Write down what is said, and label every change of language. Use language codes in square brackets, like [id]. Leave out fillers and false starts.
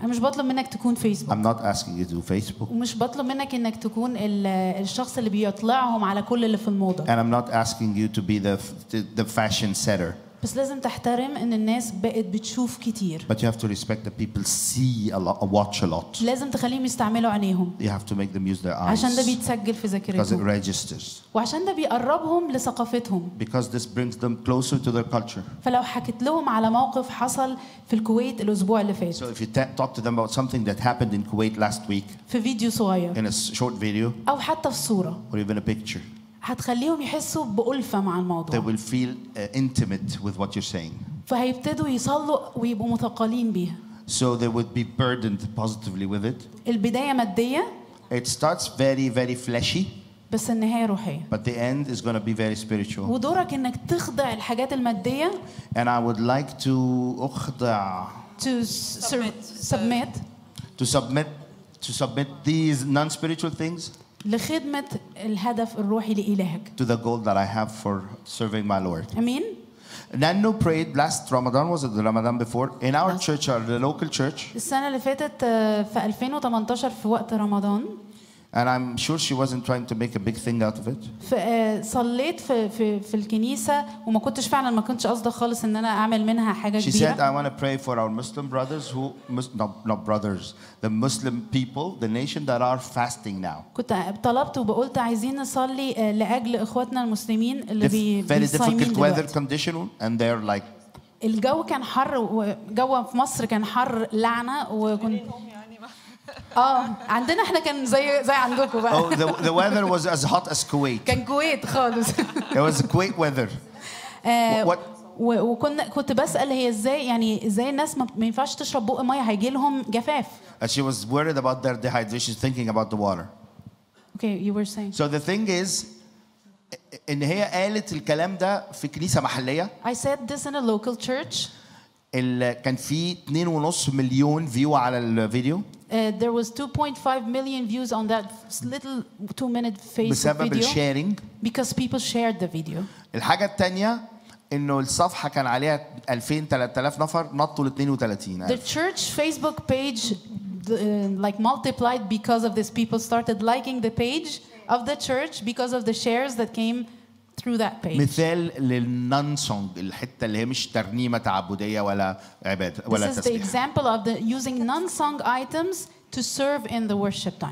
[ar] أنا مش بطلب منك تكون فيسبوك. [en] I'm not asking you to do Facebook. [ar] ومش بطلب منك إنك تكون الشخص اللي بيطلعهم على كل اللي في الموضة. [en] And I'm not asking you to be the fashion setter. [ar] بس لازم تحترم إن الناس بقت بتشوف كتير. [en] But you have to respect that people see a lot, watch a lot. [ar] لازم تخليهم يستعملوا عينيهم. [en] You have to make them use their eyes. [ar] عشان ده بيتسجل في ذاكرتهم. [en] Because it registers. [ar] وعشان ده بيقربهم لثقافتهم. [en] Because this brings them closer to their culture. [ar] فلو حكيت لهم على موقف حصل في الكويت الأسبوع اللي فات. [en] So if you talk to them about something that happened in Kuwait last week. [ar] في فيديو صغير. [en] In a short video. [ar] أو حتى في صورة. [en] Or even a picture. [ar] هتخليهم يحسوا بألفة مع الموضوع. [en] They will feel intimate with what you're saying. [ar] فهيبتدوا يصلوا ويبقوا متقالين بيها. [en] So they would be burdened positively with it. [ar] البداية مادية. [en] It starts very, very fleshy. [ar] بس النهاية روحية. [en] But the end is going to be very spiritual. [ar] ودورك إنك تخضع الحاجات المادية. [en] And I would like to [ar] أخضع. [en] To submit. To submit these non-spiritual things. [ar] لخدمة الهدف الروحي لإلهك. [en] To the goal that I have for serving my Lord. [ar] أمين. [en] Nanu prayed last Ramadan, was it the Ramadan before? In our church, or the local church. [ar] السنة اللي فاتت في 2018 في وقت رمضان. [en] And I'm sure she wasn't trying to make a big thing out of it. [ar] صليت في الكنيسة وما كنتش فعلا ما كنتش قصدي خالص إن أنا أعمل منها حاجة كبيرة. [en] She said, I want to pray for our Muslim brothers who, not brothers, the Muslim people, the nation that are fasting now. [ar] كنت طلبت وبقولت عايزين نصلي لأجل إخواتنا المسلمين اللي بيصايمين. [en] Very difficult weather condition and they're like. [ar] الجو كان حر وجو في مصر كان حر لعنة وكنت. عندنا احنا كان زي عندكم بقى. [en] The weather was as hot as Kuwait. [ar] كان كويت خالص. [en] It was Kuwait weather. [ar] وكنت بسأل هي ازاي يعني ازاي الناس ما ينفعش تشرب بقى مية هيجي لهم جفاف. [en] She was worried about their dehydration, thinking about the water. Okay, you were saying. So the thing is, [ar] ان هي قالت الكلام ده في كنيسة محلية. [en] I said this in a local church. [ar] كان في [en] 2.5 million view [ar] على الفيديو. [en] There was 2.5 million views on that little 2-minute Facebook [ar] بسبب [en] video. Sharing. Because people shared the video. [ar] الحاجة التانية إنه الصفحة كان عليها 2,000-3,000 نفر نطوا 32. [en] The church Facebook page like multiplied because of this. People started liking the page of the church because of the shares that came through that page. [ar] مثال للنون سونج الحتة اللي هي مش ترنيمة تعبدية ولا عبادة ولا تسبيح. [en] This is the example of the using non song items to serve in the worship time.